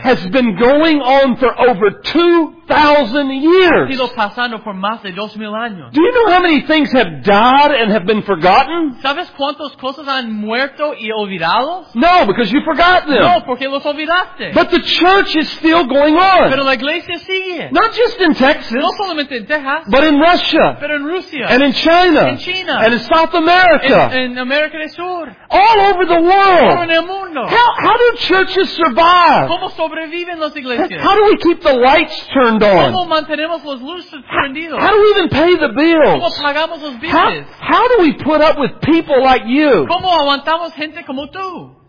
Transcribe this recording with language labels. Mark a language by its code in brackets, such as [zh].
[en] has been going on for over 2,000 years. [es] Ha sido pasando por más de 2,000 años. [en] Do you know how many things have died and have been forgotten? [es] ¿Sabes cuántas cosas han muerto y olvidado? [en] No, because you forgot them. [es] No, porque los olvidaste. [en] But the church is still going on. [es] Pero la iglesia sigue. [en] Not just in Texas. [es] No solamente en Texas. [en] But in Russia. [es] Pero en Rusia. [en] And in China. [es] China. [en] And in South America. [es] In America del Sur. [en] All over the world. [es] Todo en el mundo. [en] How do churches survive? [es] ¿Cómo sobreviven las iglesias? [en] How do we keep the lights turned on? [es] ¿Cómo mantenemos las luces prendidas? [en] How do we even pay the bills? [es] ¿Cómo pagamos los billes? [en] How do we put up with people like you? [es] ¿Cómo aguantamos gente como tú?